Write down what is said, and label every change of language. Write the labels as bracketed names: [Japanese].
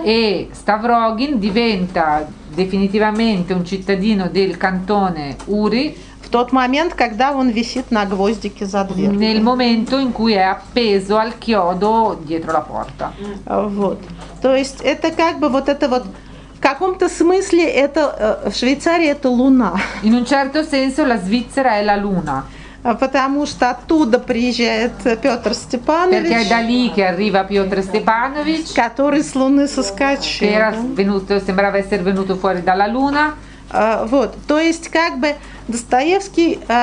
[Italian] E Ставрогин diventa definitivamente un cittadino del cantone Uri. [Russian] В тот момент, когда он висит на гвоздике за дверью. [Italian] Nel momento in cui è appeso al chiodo dietro la porta. [Russian] Вот. То есть это как бы вот это вот в каком-то смысле это в Швейцарии это луна. [Italian] In un certo senso la Svizzera è la luna. [Russian] Потому что оттуда приезжает Петр Степанович. [Italian] Perché è da lì che arriva Piotr Stepanovich, [Russian] который с Луны соскочил. [Italian] Che era venuto, sembrava essere venuto fuori dalla Luna. [Russian] Вот, то есть как бы Достоевский